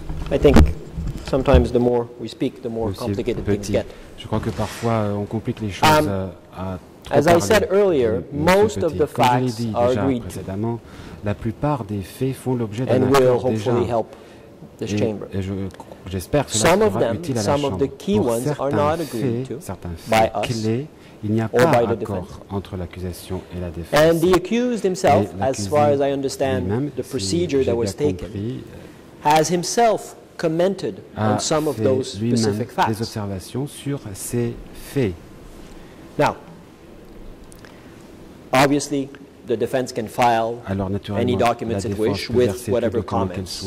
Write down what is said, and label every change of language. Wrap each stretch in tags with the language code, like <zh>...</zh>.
<en>I think sometimes the more we speak, the more complicated things get.</en> <fr>Je crois que parfois on complique les choses à trop parler.</fr> <en>As I said earlier, most of the facts are agreed.</en> <fr>Précédemment, la plupart des faits font l'objet d'un accord déjà.</fr> <en>And will hopefully help this chamber.</en> <fr>J'espère que cela sera utile à la chambre.</fr> <en>Some of the key ones are not agreed to.</en> <fr>Certains faits clés, il n'y a pas d'accord entre l'accusation et la défense.</fr> <en>And the accused himself, as far as I understand, the procedure that was taken. Has himself commented on some of those specific facts.</en> <fr>Des observations sur ces faits.</fr> <en>Now, obviously, the defense can file any documents it wishes with whatever comments,</en>